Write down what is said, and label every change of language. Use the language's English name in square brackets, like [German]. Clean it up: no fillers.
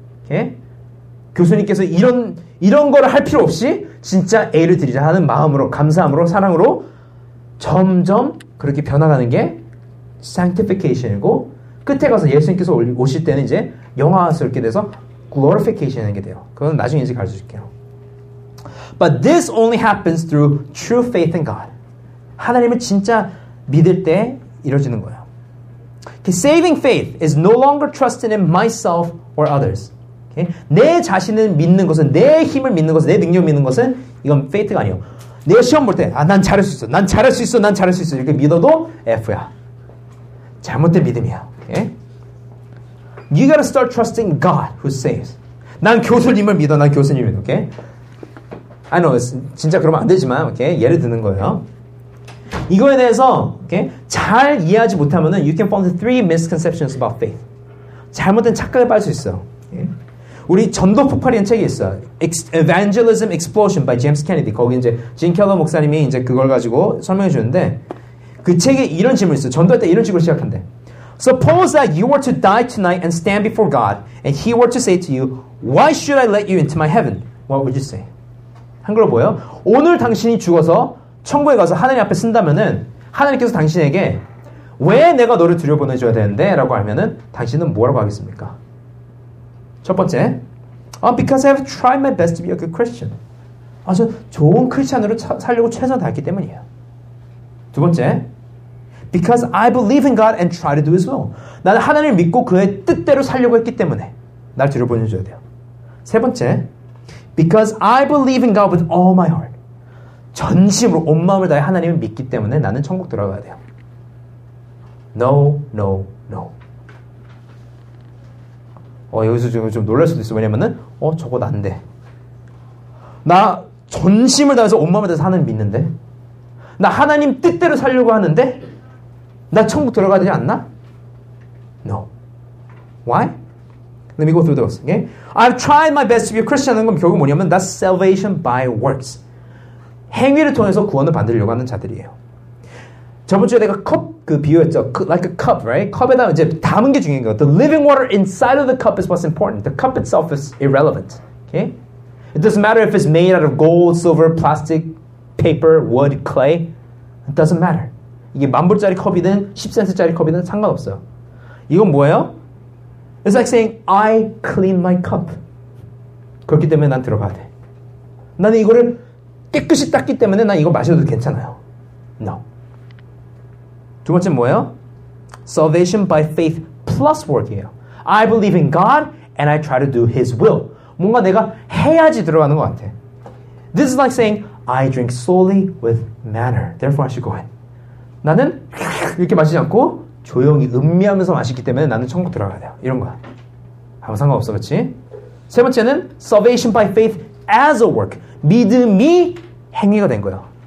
[Korean] 오케이? 교수님께서 이런 거를 할 필요 없이 진짜 A를 드리자 하는 마음으로 감사함으로 사랑으로 점점 그렇게 변화가는 게 sanctification이고 끝에 가서 예수님께서 오실 때는 이제 영화스럽게 돼서 glorification이 게 돼요. 그건 나중에 이제 가르쳐 줄게요. [English] But this only happens through true faith in God. [Korean] 하나님을 진짜 믿을 때 이루어지는 거예요. [English] Okay, saving faith is no longer trusting in myself or others. Okay? [Korean] 내 자신을 믿는 것은, 내 힘을 믿는 것은, 내 능력을 믿는 것은 이건 faith가 아니에요. 내가 시험 볼 때 아, 난 잘할 수 있어, 난 잘할 수 있어, 난 잘할 수 있어 이렇게 믿어도 F야. 잘못된 믿음이야. [English] Okay? You gotta start trusting God who saves. [Korean] 난 교수님을 믿어, 난 교수님을 믿어. Okay? [English] I know, [Korean] 진짜 그러면 안 되지만 okay? 예를 드는 거예요. 이거에 대해서 okay? 잘 이해하지 못하면 [English] you can fall into three misconceptions about faith. [Korean] 잘못된 착각에 빠질 수 있어. [English] Okay? [Korean] 우리 전도 폭발이라는 책이 있어. [English] Evangelism Explosion by James Kennedy. [Korean] 거기 이제 진 켈러 목사님이 이제 그걸 가지고 설명해 주는데 그 책에 이런 질문이 있어. 전도할 때 이런 식으로 시작한대. [English] Suppose that you were to die tonight and stand before God and he were to say to you, why should I let you into my heaven? What would you say? [Korean] 한글로 보여. 오늘 당신이 죽어서 천국에 가서 하나님 앞에 쓴다면은 하나님께서 당신에게 왜 내가 너를 들여보내줘야 되는데? 라고 하면은 당신은 뭐라고 하겠습니까? 첫 번째, [English] because I have tried my best to be a good Christian. [Korean] 아주 좋은 크리스천으로 살려고 최선을 다했기 때문이에요. 두 번째, [English] because I believe in God and try to do His will. [Korean] 나는 하나님을 믿고 그의 뜻대로 살려고 했기 때문에 날 뒤로 보내줘야 돼요. 세 번째, [English] because I believe in God with all my heart. [Korean] 전심으로 온 마음을 다해 하나님을 믿기 때문에 나는 천국 들어가야 돼요. [English] No, no, no. [Korean] 여기서 좀 놀랄 수도 있어. 왜냐면은 저거 난데. 나 전심을 다해서 온 마음을 다해서 하나님 믿는데. 나 하나님 뜻대로 살려고 하는데. 나 천국 들어가야 되지 않나? [English] No. Why? Let me go through those. Okay? I've tried my best to be a Christian. [Korean] 그럼 결국 뭐냐면 [English] that's salvation by works. [Korean] 행위를 통해서 구원을 받으려고 하는 자들이에요. 저번 주에 내가 컵 그 비유였죠. [English] Like a cup, right? [Korean] 컵에다 이제 담은 게 중요한 거. [English] The living water inside of the cup is what's important. The cup itself is irrelevant. Okay? It doesn't matter if it's made out of gold, silver, plastic, paper, wood, clay. It doesn't matter. [Korean] 이게 만불짜리 컵이든 10센트짜리 컵이든 상관없어요. 이건 뭐예요? [English] It's like saying, I clean my cup. [Korean] 그렇기 때문에 난 들어가야 돼. 나는 이거를 깨끗이 닦기 때문에 난 이거 마셔도 괜찮아요. [English] No. [Korean] 두 번째는 뭐예요? [English] Salvation by faith plus work이에요. I believe in God and I try to do His will. [Korean] 뭔가 내가 해야지 들어가는 것 같아. [English] This is like saying, I drink slowly with manner. Therefore, I should go in. [Korean] 나는 이렇게 마시지 않고 조용히 음미하면서 마시기 때문에 나는 천국 들어가야 돼요. 이런 거야. 아무 상관없어, 그치? 세 번째는 [English] Salvation by faith as a work. [Korean] 믿음이 행위가 된 거예요.